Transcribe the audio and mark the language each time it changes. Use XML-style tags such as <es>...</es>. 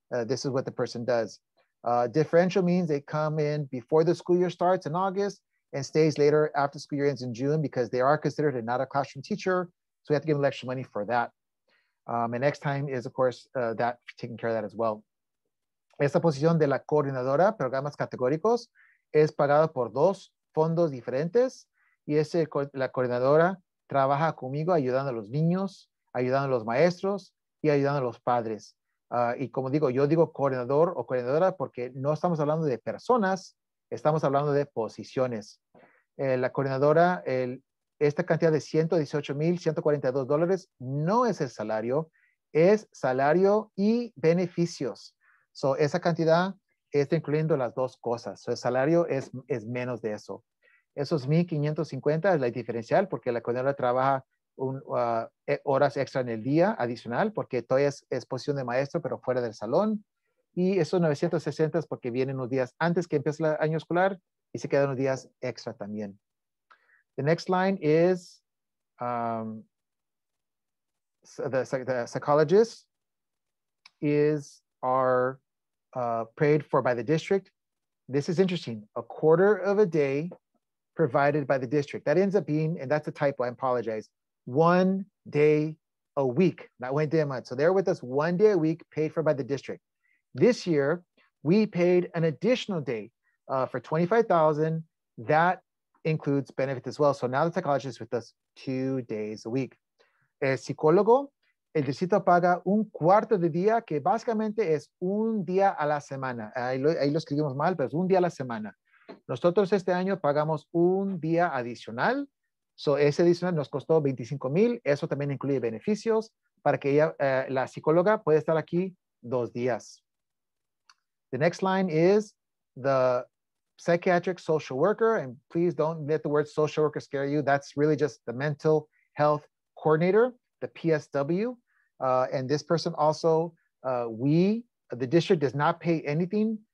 <en>This is what the person does. Differential means they come in before the school year starts in August and stays later after school year ends in June because they are considered not a classroom teacher. So we have to give them extra money for that. And next time is, of course, that taking care of that as well.</en> <es>Esta posición de la coordinadora, programas categóricos, es pagada por 2 fondos diferentes. Y la coordinadora trabaja conmigo ayudando a los niños, ayudando a los maestros y ayudando a los padres. Y como digo, yo digo coordinador o coordinadora porque no estamos hablando de personas, estamos hablando de posiciones. La coordinadora, esta cantidad de $118,142 no es el salario, es salario y beneficios. So esa cantidad está incluyendo las 2 cosas. So el salario es menos de eso. Esos 1,550 es la diferencial porque la coordinadora trabaja horas extra en el día adicional porque todavía es posición de maestro pero fuera del salón, y esos 960 es porque vienen unos días antes que empiece el año escolar y se quedan unos días extra también.</es> <en>The next line is the psychologist are paid for by the district. This is interesting. A quarter of a day provided by the district. That ends up being, and that's a typo, I apologize, 1 day a week, not 1 day a month. So they're with us 1 day a week paid for by the district. This year, we paid an additional day for $25,000. That includes benefits as well. So now the psychologist is with us 2 days a week.</en> <es>El psicólogo, el distrito paga un cuarto de día, que básicamente es un día a la semana. Ahí lo escribimos mal, pero es un día a la semana. Nosotros este año pagamos un día adicional. So ese adicional nos costó $25,000. Eso también incluye beneficios para que ella, la psicóloga, pueda estar aquí 2 días.</es> <en>The next line is the psychiatric social worker. And please don't let the word social worker scare you. That's really just the mental health coordinator, the PSW. And this person also, the district does not pay anything.</en>